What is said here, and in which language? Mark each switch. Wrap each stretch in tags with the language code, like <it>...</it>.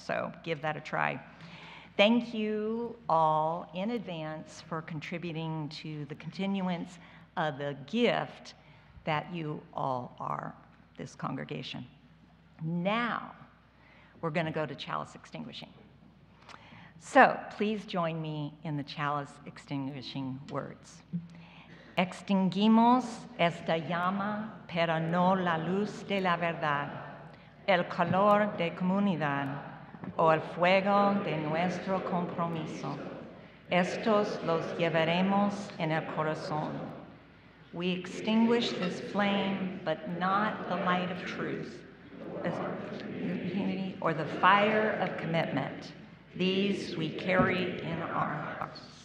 <en>So give that a try. Thank you all in advance for contributing to the continuance of the gift that you all are, this congregation. Now, we're going to go to chalice extinguishing. So please join me in the chalice extinguishing words.</en> <es>Extinguimos esta llama, pero no la luz de la verdad, el calor de comunidad, o el fuego de nuestro compromiso. Estos los llevaremos en el corazón.</es> <en>We extinguish this flame, but not the light of truth, unity, or the fire of commitment. These we carry in our hearts.</en>